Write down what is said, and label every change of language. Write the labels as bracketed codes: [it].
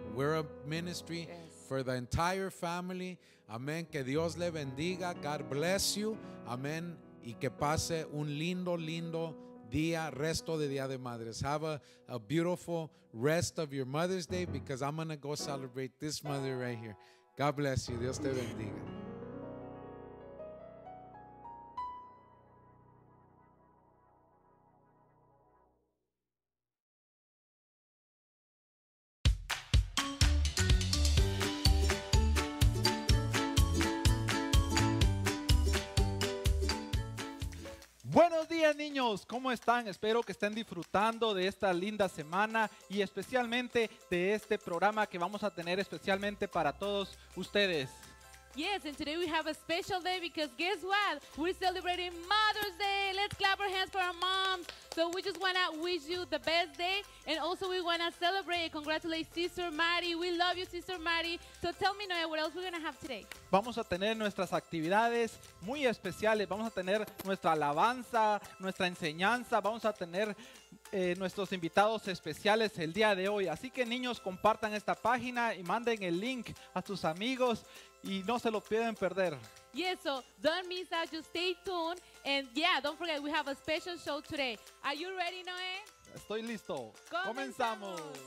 [en] We're a ministry, yes, for the entire family. [es] Amén. Que Dios le bendiga. [en] God bless you. [es] Amén. Y que pase un lindo, lindo día, resto de Día de Madres. [en] Have a beautiful rest of your Mother's Day, because I'm going to go celebrate this mother right here. God bless you. [es] Dios te bendiga. Niños, ¿cómo están? Espero que estén disfrutando de esta linda semana y especialmente de este programa que vamos a tener especialmente para todos ustedes. [en] Yes, and today we have a special day because guess what? We're celebrating Mother's Day. Let's clap our hands for our moms. So we just want to wish you the best day. And also we want to celebrate and congratulate Sister Mari. We love you, Sister Mari. So tell me, Noe, what else we're going to have today? [es] Vamos a tener nuestras actividades muy especiales. Vamos a tener nuestra alabanza, nuestra enseñanza. Vamos a tener nuestros invitados especiales el día de hoy. Así que niños, compartan esta página y manden el link a sus amigos. Y no se lo pueden perder. [en] Yes, so don't miss out. Just stay tuned. And yeah, don't forget, we have a special show today. Are you ready, Noe? [es] Estoy listo. Comenzamos.